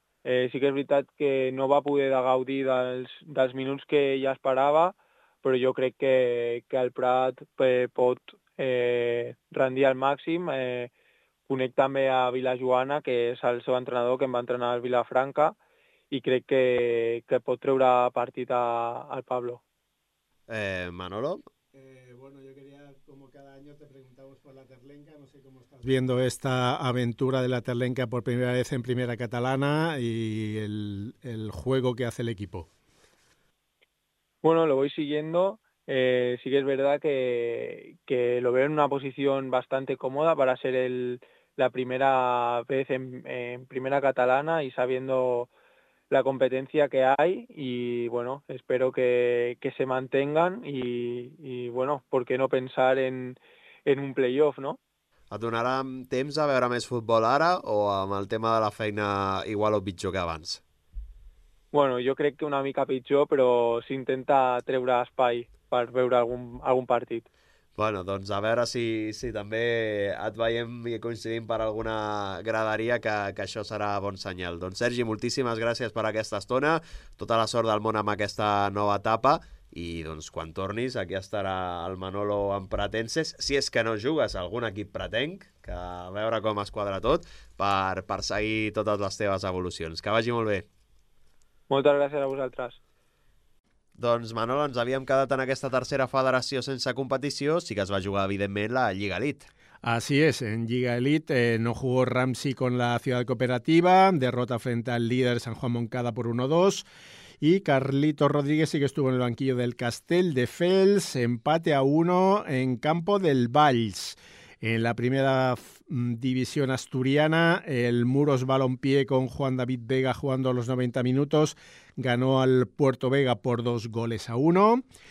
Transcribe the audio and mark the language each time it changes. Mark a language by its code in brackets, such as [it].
[ca] Sí que és veritat que no va poder gaudir dels minuts que ja esperava, però jo crec que el Prat pot rendir al màxim. Conec també a Vilajoana, que és el seu entrenador, que em va entrenar al Vilafranca, i crec que pot treure partit al Pablo. Manolo. [es] Bueno, yo quería, como cada año te preguntamos por la Terlenca, no sé cómo estás viendo esta aventura de la Terlenca por primera vez en Primera Catalana y el juego que hace el equipo. Bueno, lo voy siguiendo. Sí que es verdad que lo veo en una posición bastante cómoda para ser la primera vez en Primera Catalana y sabiendo la competencia que hay, y bueno, espero que se mantengan y bueno, ¿por qué no pensar en un playoff, no? [ca] Et donarà temps a veure més futbol ara o amb el tema de la feina igual o pitjor que abans? Bueno, jo crec que una mica pitjor, però s'intenta treure espai per veure algun partit. Bueno, doncs a veure si també et veiem i coincidim per alguna graderia, que això serà bon senyal. Doncs Sergi, moltíssimes gràcies per aquesta estona, tota la sort del món amb aquesta nova etapa, i doncs quan tornis aquí estarà el Manolo en pretenses, si és que no jugues a algun equip pretenc, que a veure com es quadra tot, per seguir totes les teves evolucions. Que vagi molt bé. Moltes gràcies a vosaltres. Doncs, Manolo, ens havíem quedat en aquesta tercera federació sense competició, sí que es va jugar, evidentment, la Lliga Elite. [es] Así es, en Lliga Elite no jugó Ramsey con la Ciudad Cooperativa, derrota frente al líder San Juan Moncada por 1-2, y Carlito Rodríguez sí que estuvo en el banquillo del Castelldefels, empate a 1 en campo del Valls. En la primera división asturiana, el Muros Balompié con Juan David Vega jugando a los 90 minutos ganó al Puerto Vega por 2-1.